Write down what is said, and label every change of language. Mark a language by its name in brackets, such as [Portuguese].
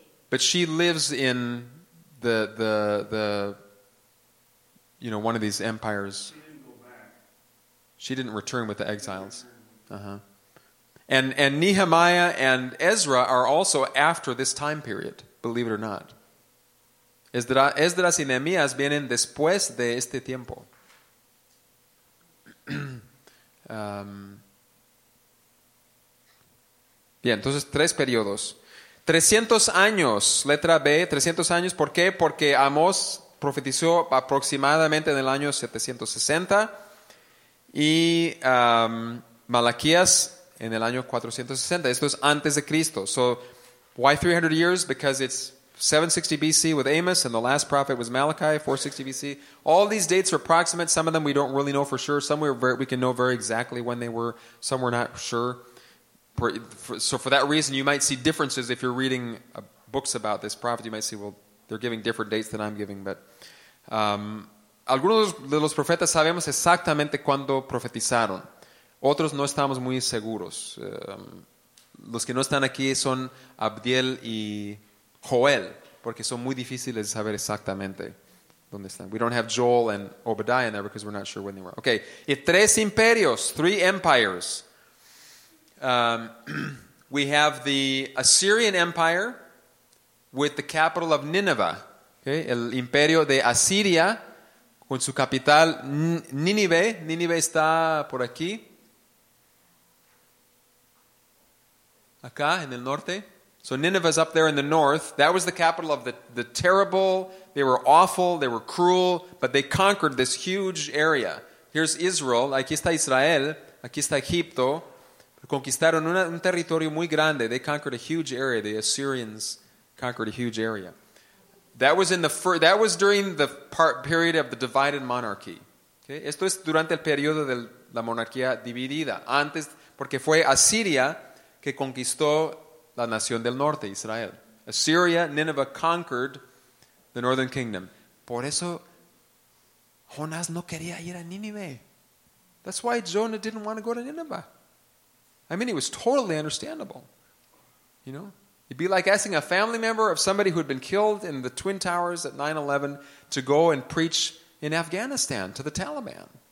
[English] But she lives in the you know, one of these empires. She didn't go back. She didn't return with the exiles. Uh-huh. And Nehemiah and Ezra are also after this time period, believe it or not. [Spanish] Esdras y Nehemías vienen después de este tiempo. Bien, entonces tres periodos. 300 años, letra B, 300 años, ¿por qué? Porque Amós profetizó aproximadamente en el año 760 y Malaquías en el año 460. Esto es antes de Cristo. [English] So, why 300 years? Because it's 760 BC with Amos and the last prophet was Malachi, 460 BC. All these dates are approximate. Some of them we don't really know for sure. Some we can know very exactly when they were. Some we're not sure. So for that reason, you might see differences if you're reading books about this prophet. You might see, well, they're giving different dates than I'm giving. [Spanish] But algunos de los profetas sabemos exactamente cuándo profetizaron. Otros no estamos muy seguros. Los que no están aquí son Abdiel y Joel, porque son muy difíciles de saber exactamente dónde están. [English] We don't have Joel and Obadiah in there because we're not sure when they were. Okay, [Spanish] y tres imperios, [English] three empires. We have the Assyrian Empire with the capital of Nineveh. [Spanish] Okay, el imperio de Asiria con su capital Nínive. Nínive está por aquí. Acá en el norte. [English] So Nineveh is up there in the north. That was the capital of the terrible. They were awful. They were cruel. But they conquered this huge area. Here's Israel. [Spanish] Aquí está Israel. Aquí está Egipto. Conquistaron un territorio muy grande. [English] They conquered a huge area. The Assyrians conquered a huge area. That was during the period of the divided monarchy. Okay? [Spanish] Esto es durante el periodo de la monarquía dividida. Antes, porque fue Asiria que conquistó la nación del norte, Israel. [English] Assyria, Nineveh conquered the northern kingdom. [Spanish] Por eso, Jonás no quería ir a Nineveh. [English] That's why Jonah didn't want to go to Nineveh. I mean, it was totally understandable. You know? It'd be like asking a family member of somebody who had been killed in the Twin Towers at 9/11 to go and preach in Afghanistan to the Taliban.